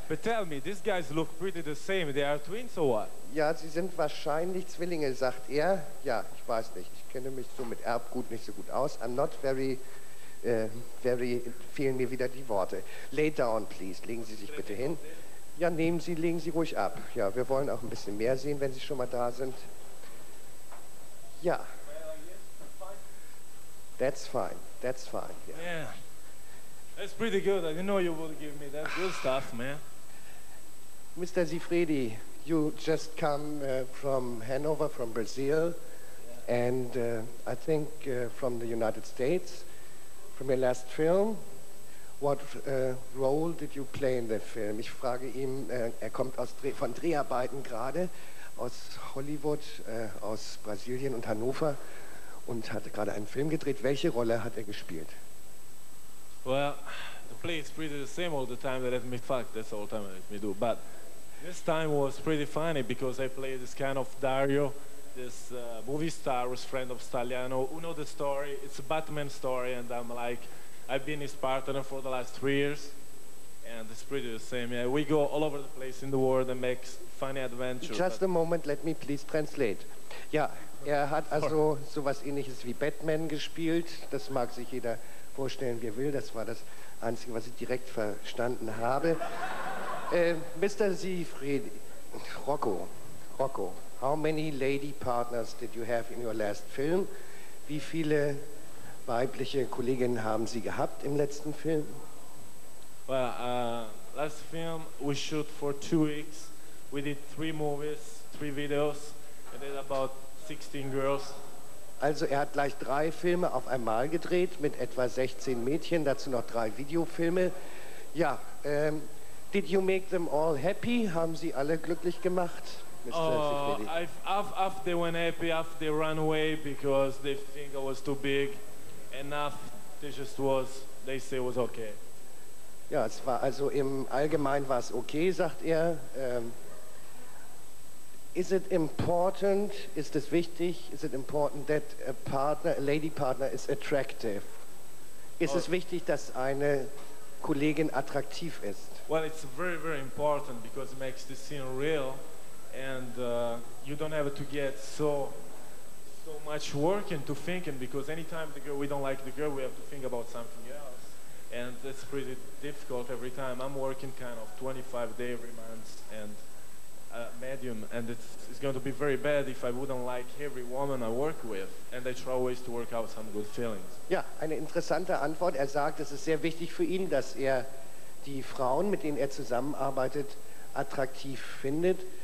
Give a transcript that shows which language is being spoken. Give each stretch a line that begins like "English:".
English: But tell me, these guys look pretty the same. They are twins or what?
German: Ja, sie sind wahrscheinlich Zwillinge, sagt er. Ja, ich weiß nicht. Ich kenne mich so mit Erbgut nicht so gut aus.
English: I'm not very,
German: fehlen mir wieder die Worte.
English: Lay down, please.
German: Legen Sie sich bitte hin. Ja, nehmen Sie, legen Sie ruhig ab. Ja, wir wollen auch ein bisschen mehr sehen, wenn Sie schon mal da sind. Ja.
English: That's fine, yeah. That's pretty good. I didn't know you would give me that good stuff, man. Mr. Siffredi, you just come from Hanover, from Brazil, yeah. And I think from the United States, from your last film. What role did you play in the film?
German: Ich frage ihn, er kommt von Dreharbeiten gerade, aus Hollywood, aus Brasilien und Hannover und hat gerade einen Film gedreht. Welche Rolle hat er gespielt?
English: Well, the play is pretty the same all the time. They let me fuck. That's all the time they let me do. But this time was pretty funny because I played this kind of Dario, this movie star who's friend of Stagliano. Who know the story? It's a Batman story, and I'm like, I've been his partner for the last 3 years, and it's pretty the same. Yeah, we go all over the place in the world and make funny adventures. Just a moment. Let me please translate.
German: Yeah, er hat also sowas Ähnliches wie Batman gespielt. Das mag sich jeder vorstellen, wie will. Das war das Einzige, was ich direkt verstanden habe.
English: Mr. Siffredi, Rocco, how many lady partners did you have in your last film?
German: Wie viele weibliche Kolleginnen haben Sie gehabt im letzten Film?
English: Well, last film we shoot for 2 weeks. We did 3 movies, 3 videos, and then about 16 girls.
German: Also er hat gleich drei Filme auf einmal gedreht mit etwa 16 Mädchen, dazu noch drei Videofilme.
English: Ja, did you make them all happy?
German: Haben Sie alle glücklich gemacht,
English: Mr. Sifridi? Oh, they went happy after they ran away because they think I was too big. Enough, they just was, they say it was okay.
German: Ja, es war also im Allgemeinen war es okay, sagt er.
English: Is it important,
German: ist es wichtig,
English: is it important that a partner, a lady partner is attractive?
German: Ist es wichtig, dass eine Kollegin attraktiv ist?
English: Well, it's very, very important because it makes the scene real and you don't have to get so much work into thinking because anytime the girl, we don't like the girl, we have to think about something else and that's pretty difficult every time. I'm working kind of 25 days every month and medium, and it's going to be very bad if I wouldn't like every woman I work with, and I try always to work out some good feelings.
German: Ja, eine interessante Antwort. Er sagt, es ist sehr wichtig für ihn, dass er die Frauen, mit denen er zusammenarbeitet, attraktiv findet.